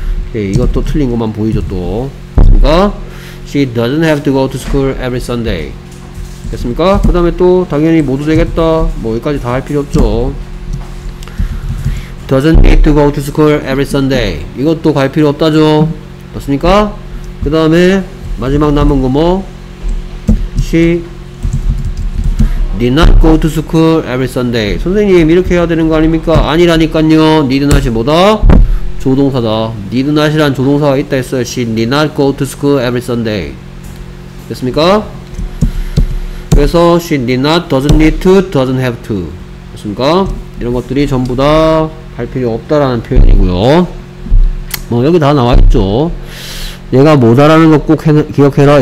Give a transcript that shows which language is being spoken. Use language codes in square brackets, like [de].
[ko] 오케이, 이것도 틀린 것만 보이죠 또 [en] She doesn't have to go to school every Sunday. [ko] 됐습니까? 그 다음에 또 당연히 모두 되겠다. 뭐 여기까지 다 할 필요 없죠. [en] Doesn't need to go to school every Sunday. [ko] 이것도 갈 필요 없다죠. 맞습니까? 그 다음에 마지막 남은 거 뭐? [en] She need not go to school every Sunday. [ko] 선생님 이렇게 해야 되는 거 아닙니까? 아니라니까요. Need not이 뭐다? 조동사다. Need not이란 조동사가 있다 했어요. [en] She need not go to school every Sunday. [ko] 됐습니까? 그래서 [en] She need not, doesn't need to, doesn't have to. [ko] 됐습니까? 이런 것들이 전부 다 할 필요 없다라는 표현이고요. 뭐 여기 다 나와있죠. 얘가 뭐다라는 거 꼭 기억해라.